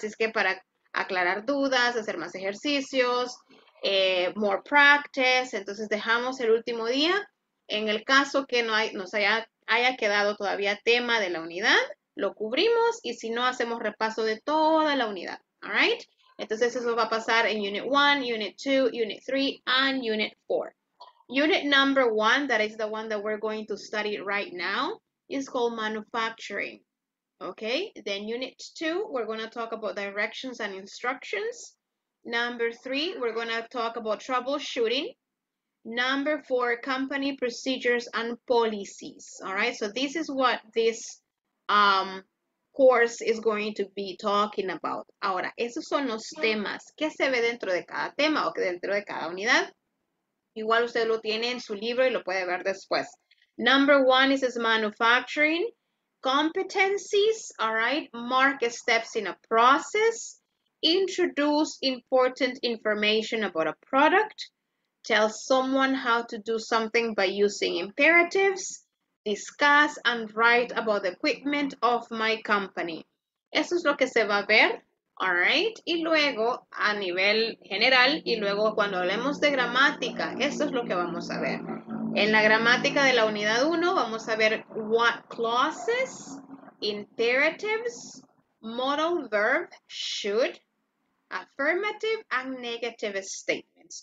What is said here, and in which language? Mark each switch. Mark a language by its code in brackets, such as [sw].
[es] Así es que para aclarar dudas, hacer más ejercicios, [en] more practice, [es] entonces dejamos el último día en el caso que no hay, nos haya quedado todavía tema de la unidad. Lo cubrimos y si no, hacemos repaso de toda la unidad, [en] all right? [es] Entonces, eso va a pasar en [en] Unit 1, Unit 2, Unit 3, and Unit 4. Unit number 1, that is the one that we're going to study right now, is called Manufacturing, okay? Then Unit 2, we're going to talk about directions and instructions. Number 3, we're going to talk about troubleshooting. Number 4, company procedures and policies, all right? So, this is what this course is going to be talking about. [es] Ahora, esos son los temas. ¿Qué se ve dentro de cada tema o dentro de cada unidad? Igual usted lo tiene en su libro y lo puede ver después. [en] Number 1 is manufacturing competencies, all right? Mark steps in a process, introduce important information about a product, tell someone how to do something by using imperatives. Discuss and write about the equipment of my company. [es] Eso es lo que se va a ver, [en] all right? [es] Y luego, a nivel general, y luego cuando hablemos de gramática, eso es lo que vamos a ver. En la gramática de la unidad 1, vamos a ver [en] what clauses, imperatives, modal verb, should, affirmative and negative statements.